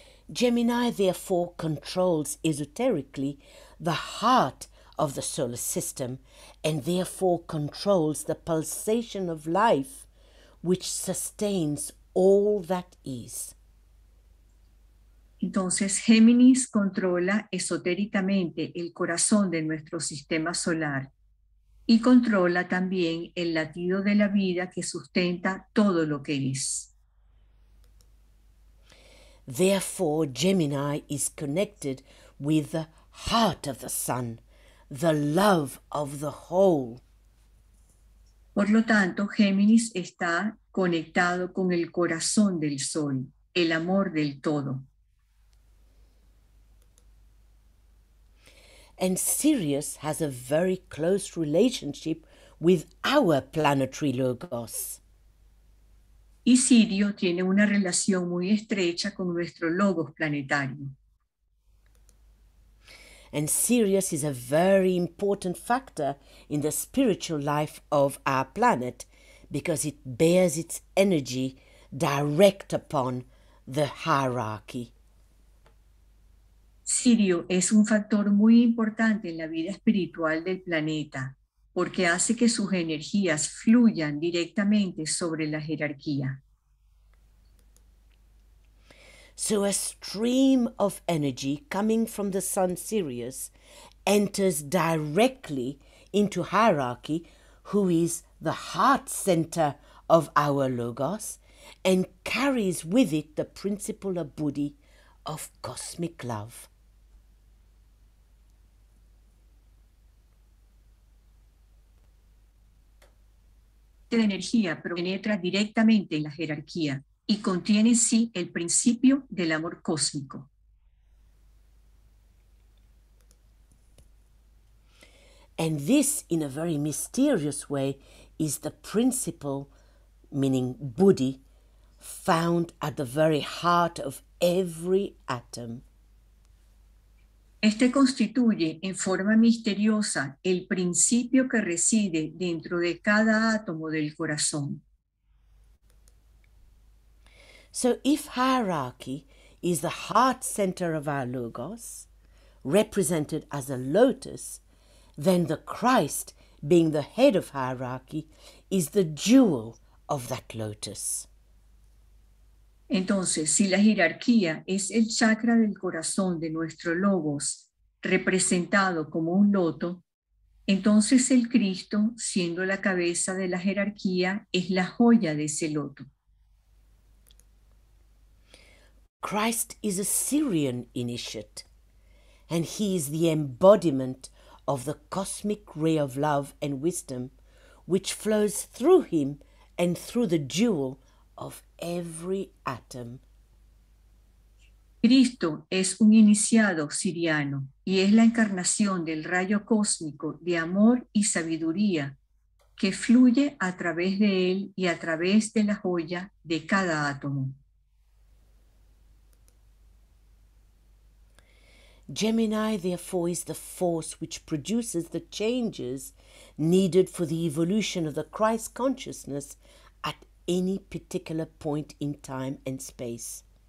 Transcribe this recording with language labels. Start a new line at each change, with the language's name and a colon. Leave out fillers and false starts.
English: Gemini therefore controls esoterically the heart of the solar system, and therefore controls the pulsation of life which sustains all that is.
Spanish: Entonces, Géminis controla esotéricamente el corazón de nuestro sistema solar y controla también el latido de la vida que sustenta todo lo que es.
English: Therefore, Gemini is connected with the heart of the sun, the love of the whole.
Spanish: Por lo tanto, Géminis está conectado con el corazón del sol, el amor del todo.
English: And Sirius has a very close relationship with our planetary logos.
Spanish: Y Sirio tiene una relación muy estrecha con nuestro logos planetario.
English: And Sirius is a very important factor in the spiritual life of our planet because it bears its energy direct upon the hierarchy.
Spanish: Sirio es un factor muy importante en la vida espiritual del planeta porque hace que sus energías fluyan directamente sobre la jerarquía.
English: So a stream of energy coming from the sun Sirius enters directly into hierarchy, who is the heart center of our logos and carries with it the principle of buddhi, of cosmic love.
Spanish: De energía penetra directamente en la jerarquía y contiene en sí el principio del amor cósmico.
English: And this, in a very mysterious way, is the principle, meaning buddhi, found at the very heart of every atom.
Spanish: Este constituye en forma misteriosa el principio que reside dentro de cada átomo del corazón.
English: So if hierarchy is the heart center of our logos, represented as a lotus, then the Christ, being the head of hierarchy, is the jewel of that lotus.
Spanish: Entonces, si la jerarquía es el chakra del corazón de nuestro logos, representado como un loto, entonces el Cristo, siendo la cabeza de la jerarquía, es la joya de ese loto.
English: Christ is a Syrian initiate, and he is the embodiment of the cosmic ray of love and wisdom, which flows through him and through the jewel of every atom.
Spanish: Cristo es un iniciado siriano y es la encarnación del rayo cósmico de amor y sabiduría que fluye a través de él y a través de la joya de cada átomo.
English: Gemini, therefore, is the force which produces the changes needed for the evolution of the Christ consciousness at any particular point in time and space.